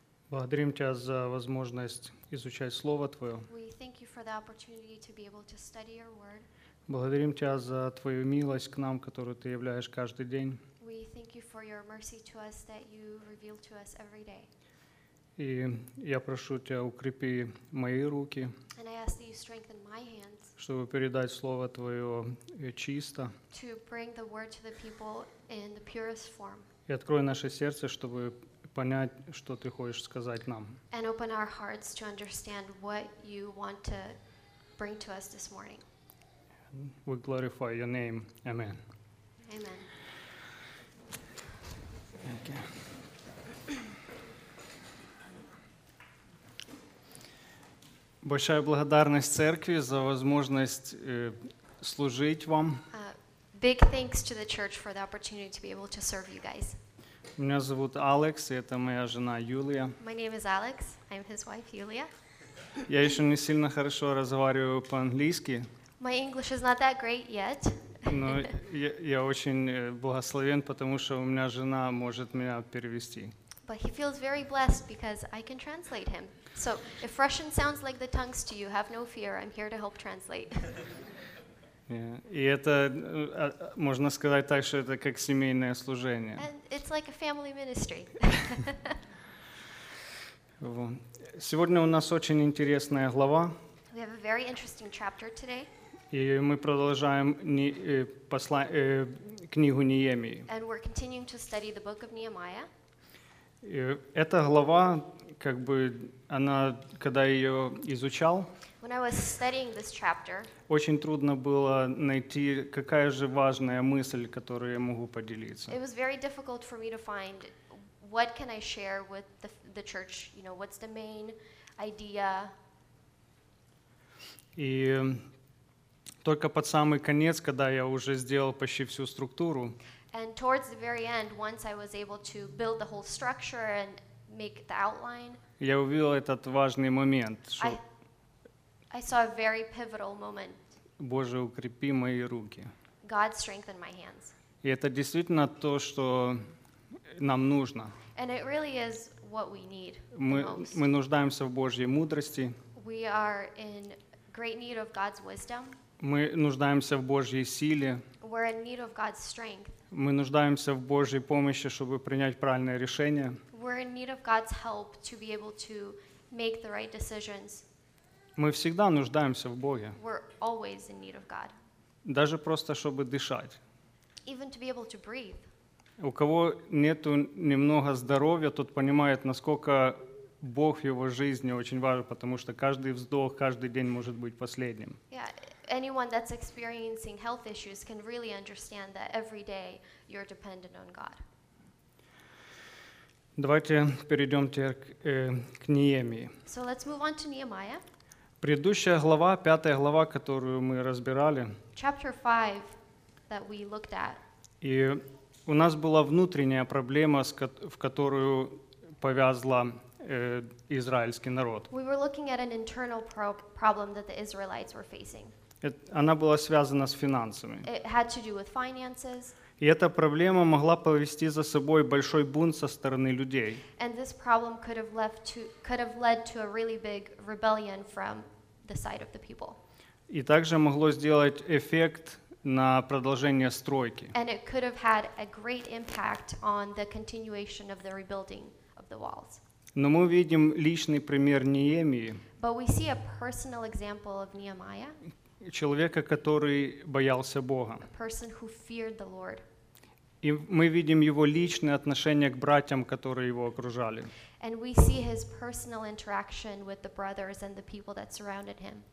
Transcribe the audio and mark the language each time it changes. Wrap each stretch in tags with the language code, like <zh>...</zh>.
<ru>Благодарим Тебя за возможность изучать Слово Твое.</ru> <en>We thank you for the opportunity to be able to study your word.</en> <ru>Благодарим Тебя за Твою милость к нам, которую Ты являешь каждый день.</ru> <en>We thank you for your mercy to us that you reveal to us every day.</en> <ru>И я прошу Тебя, укрепи мои руки,</ru> <en>and I ask that you strengthen my hands,</en> <ru>чтобы передать Слово Твое чисто,</ru> <en>to bring the word to the people in the purest form,</en> <ru>и открой наше сердце, чтобы понять, что Ты хочешь сказать нам,</ru> <en>and open our hearts to understand what you want to bring to us this morning. We glorify your name. Amen. Amen. Thank you.</en> <ru>Большая благодарность церкви за возможность служить вам.</ru> <en>Big thanks to the church for the opportunity to be able to serve you guys.</en> <ru>Меня зовут Алекс, и это моя жена Юлия.</ru> <en>My name is Alex. I'm his wife, Yulia.</en> <ru>Я еще не сильно хорошо разговариваю по-английски.</ru> <en>My English is not that great yet.</en> <ru>Но я очень благословен, потому что у меня жена может меня перевести.</ru> <en>But he feels very blessed because I can translate him. So, if Russian sounds like the tongues to you, have no fear. I'm here to help translate.</en> <ru>Yeah. И это, можно сказать так, что это как семейное служение.</ru> <en>And it's like a family ministry.</en> <ru>Сегодня у нас очень интересная глава.</ru> <en>We have a very interesting chapter today.</en> <ru>И мы продолжаем книгу Неемии.</ru> <en>And we're continuing to study the book of Nehemiah.</en> <ru>И эта глава, как бы, она, когда я ее изучал,</ru> <en>when I was studying this chapter,</en> <ru>очень трудно было найти, какая же важная мысль, которую я могу поделиться.</ru> <en>It was very difficult for me to find what can I share with the church, you know, what's the main idea.</en> <ru>И только под самый конец, когда я уже сделал почти всю структуру,</ru> <en>and towards the very end, once I was able to build the whole structure and make the outline,</en> <ru>я увидел этот важный момент, что</ru> <en>I saw a very pivotal moment.</en> <ru>Боже, укрепи мои руки.</ru> <en>God strengthen my hands.</en> <ru>И это действительно то, что нам нужно.</ru> <en>And it really is what we need the most.</en> <ru>Мы нуждаемся в Божьей мудрости.</ru> <en>We are in great need of God's wisdom.</en> <ru>Мы нуждаемся в Божьей силе.</ru> <en>We're in need of God's strength.</en> <ru>Мы нуждаемся в Божьей помощи, чтобы принять правильное решение.</ru> <en>We're in need of God's help to be able to make the right decisions.</en> <ru>Мы всегда нуждаемся в Боге.</ru> <en>We're always in need of God.</en> <ru>Даже просто, чтобы дышать.</ru> <en>Even to be able to breathe.</en> <ru>У кого нету немного здоровья, тот понимает, насколько Бог в его жизни очень важен, потому что каждый вздох, каждый день может быть последним. Yeah.</ru> <en>Anyone that's experiencing health issues can really understand that every day you're dependent on God.</en> <ru>Давайте перейдем к Неемии.</ru> <en>So let's move on to Nehemiah.</en> <ru>Предыдущая глава, пятая глава, которую мы разбирали.</ru> <en>Chapter 5 that we looked at.</en> <ru>И у нас была внутренняя проблема, в которую повязла израильский народ.</ru> <en>We were looking at an internal problem that the Israelites were facing.</en> <ru>Она была связана с финансами.</ru> <en>It had to do with finances.</en> <ru>И эта проблема могла повести за собой большой бунт со стороны людей.</ru> <en>And this problem could have led to a really big rebellion from the side of the people.</en> <ru>И также могло сделать эффект на продолжение стройки.</ru> <en>And it could have had a great impact on the continuation of the rebuilding of the walls.</en> <ru>Но мы видим личный пример Неемии.</ru> <en>But we see a personal example of Nehemiah.</en> <ru>Человека, который боялся Бога.</ru> <en>A person who feared the Lord.</en> <ru>И мы видим его личное отношение к братьям, которые его окружали.</ru> <en>And we see his personal interaction with the brothers and the people that surrounded him.</en>